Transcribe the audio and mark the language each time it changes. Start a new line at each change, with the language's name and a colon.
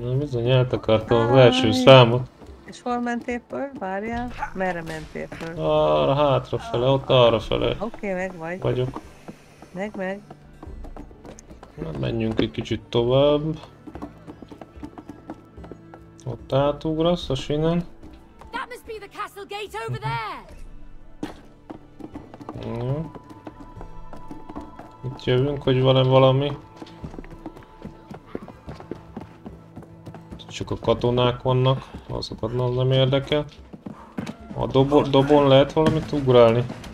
Hungarian: Na bizony, eltakartam az első számot. És hol mentél föl? Várjál. Merre mentél föl? Arra, hátrafele, ott arrafele. Oké, okay, meg vagy. Vagyok. Meg. Na, menjünk egy kicsit tovább. Ott átugrasz a sinen.
English: That must be the castle gate over there.
Hungarian: Itt jövünk, hogy van-e valami. Csak a katonák vannak, azokat nem érdekel. A dobon lehet valamit ugrálni.